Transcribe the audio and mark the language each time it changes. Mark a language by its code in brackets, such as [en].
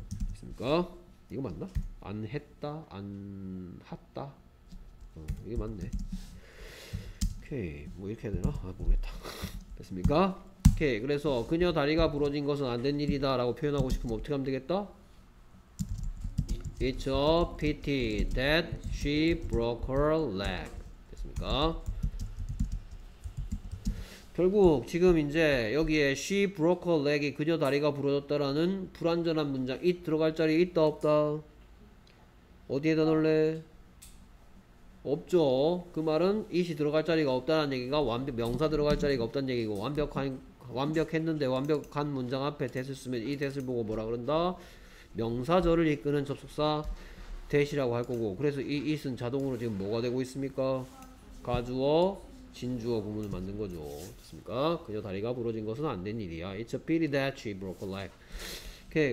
[ko] 됐습니까? 이거 맞나? 안 했다? 안 했다? 이게 맞네. 오케이. 뭐 이렇게 해야 되나? 아, 모르겠다. 됐습니까? 오케이. 그래서 그녀 다리가 부러진 것은 안된 일이다 라고 표현하고 싶으면 어떻게 하면 되겠다? [en] It's a pity that she broke her leg. [ko] 됐습니까? 결국 지금 이제 여기에 [en] she broke her leg [ko] 이 그녀 다리가 부러졌다라는 불완전한 문장 it 들어갈 자리 있다 없다 어디에다 넣을래? 없죠. 그 말은 it이 들어갈 자리가 없다는 얘기가 완벽 명사 들어갈 자리가 없다는 얘기고 완벽했는데 완벽한 문장 앞에 that을 쓰면 이 that을 보고 뭐라 그런다? 명사절을 이끄는 접속사 that이라고 할 거고 그래서 이 it은 자동으로 지금 뭐가 되고 있습니까? 가주어 진주어 구문을 만든 거죠. 됐습니까? 그녀 다리가 부러진 것은 안된 일이야. [en] It's a pity that she broke her leg. 오케이.